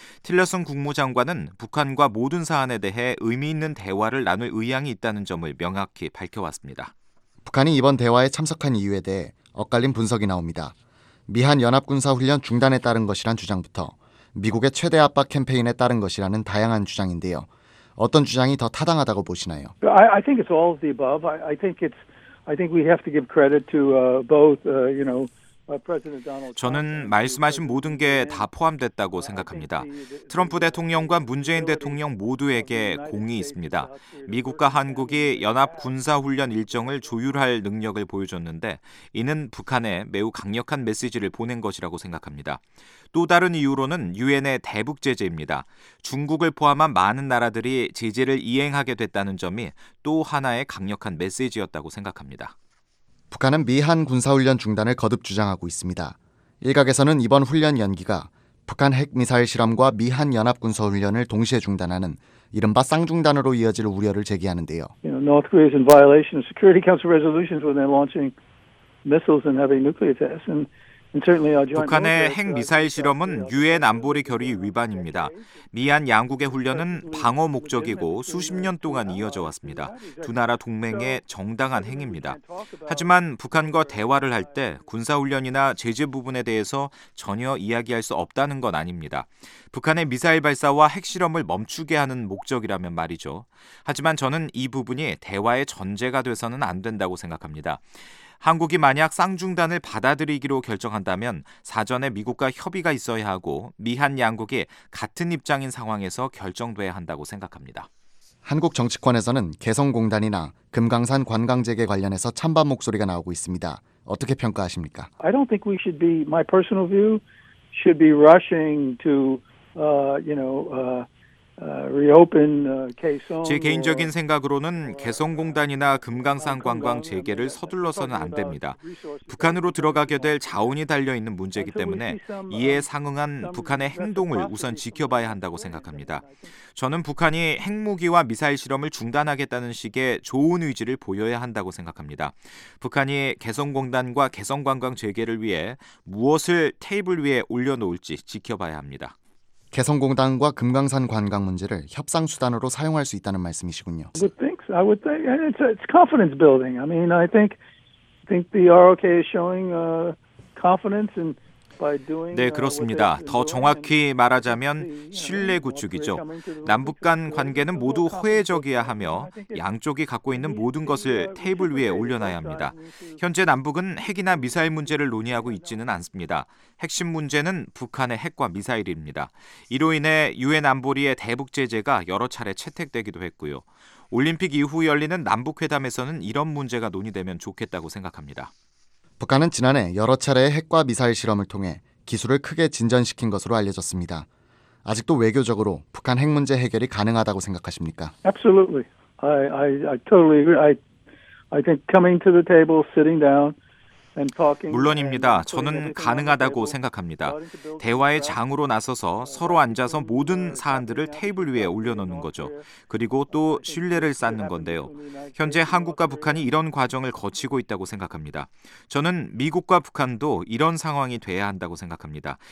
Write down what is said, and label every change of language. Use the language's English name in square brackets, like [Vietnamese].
[Korean] 틸러슨 국무장관은 북한과 모든 사안에 대해 의미 있는 대화를 나눌 의향이 있다는 점을 명확히 밝혀왔습니다. 북한이 이번 대화에 참석한 이유에 대해 엇갈린 분석이 나옵니다. 미한 연합군사훈련 중단에 따른 것이란 주장부터 미국의 최대 압박 캠페인에 따른 것이라는 다양한 주장인데요. 어떤 주장이 더 타당하다고 보시나요? [English] I think it's all of the above. I think we have to give credit to both, you know. [Korean] 저는 말씀하신 모든 게 다 포함됐다고 생각합니다. 트럼프 대통령과 문재인 대통령 모두에게 공이 있습니다. 미국과 한국이 연합 군사훈련 일정을 조율할 능력을 보여줬는데 이는 북한에 매우 강력한 메시지를 보낸 것이라고 생각합니다. 또 다른 이유로는 유엔의 대북 제재입니다. 중국을 포함한 많은 나라들이 제재를 이행하게 됐다는 점이 또 하나의 강력한 메시지였다고 생각합니다. 북한은 미한 군사훈련 중단을 거듭 주장하고 있습니다. 일각에서는 이번 훈련 연기가 북한 핵미사일 실험과 미한 연합군사훈련을 동시에 중단하는 이른바 쌍중단으로 이어질 우려를 제기하는데요. [English] North Korea is in violation of Security Council resolutions when they're launching missiles and having nuclear tests. [Korean] 북한의 핵미사일 실험은 유엔 안보리 결의 위반입니다. 미한 양국의 훈련은 방어 목적이고 수십 년 동안 이어져 왔습니다. 두 나라 동맹의 정당한 행위입니다. 하지만 북한과 대화를 할 때 군사훈련이나 제재 부분에 대해서 전혀 이야기할 수 없다는 건 아닙니다. 북한의 미사일 발사와 핵실험을 멈추게 하는 목적이라면 말이죠. 하지만 저는 이 부분이 대화의 전제가 돼서는 안 된다고 생각합니다. 한국이 만약 쌍중단을 받아들이기로 결정한다면 사전에 미국과 협의가 있어야 하고 미한 양국이 같은 입장인 상황에서 결정돼야 한다고 생각합니다. 한국 정치권에서는 개성공단이나 금강산 관광재개 관련해서 찬반 목소리가 나오고 있습니다. 어떻게 평가하십니까? [English] I don't think we should be, my personal view, should be rushing to, you know, reopen, Kaesong, [Korean] 제 개인적인 생각으로는 개성공단이나 금강산 관광 재개를 서둘러서는 안 됩니다. 북한으로 들어가게 될 자원이 달려있는 문제이기 때문에 이에 상응한 북한의 행동을 우선 지켜봐야 한다고 생각합니다. 저는 북한이 핵무기와 미사일 실험을 중단하겠다는 식의 좋은 의지를 보여야 한다고 생각합니다. 북한이 개성공단과 개성관광 재개를 위해 무엇을 테이블 위에 올려놓을지 지켜봐야 합니다. 개성공단과 금강산 관광 문제를 협상 수단으로 사용할 수 있다는 말씀이시군요. [English] I would think it's confidence building. I mean, I think the ROK is showing confidence and [Korean] 네, 그렇습니다. 더 정확히 말하자면 신뢰 구축이죠. 남북 간 관계는 모두 호혜적이어야 하며 양쪽이 갖고 있는 모든 것을 테이블 위에 올려놔야 합니다. 현재 남북은 핵이나 미사일 문제를 논의하고 있지는 않습니다. 핵심 문제는 북한의 핵과 미사일입니다. 이로 인해 유엔 안보리의 대북 제재가 여러 차례 채택되기도 했고요. 올림픽 이후 열리는 남북회담에서는 이런 문제가 논의되면 좋겠다고 생각합니다. 북한은 지난해 여러 차례의 핵과 미사일 실험을 통해 기술을 크게 진전시킨 것으로 알려졌습니다. 아직도 외교적으로 북한 핵 문제 해결이 가능하다고 생각하십니까? [English] Absolutely. I totally agree. I think coming to the table, sitting down. [Korean] 물론입니다. 저는 가능하다고 생각합니다. 대화의 장으로 나서서 서로 앉아서 모든 사안들을 테이블 위에 올려놓는 거죠. 그리고 또 신뢰를 쌓는 건데요. 현재 한국과 북한이 이런 과정을 거치고 있다고 생각합니다. 저는 미국과 북한도 이런 상황이 돼야 한다고 생각합니다.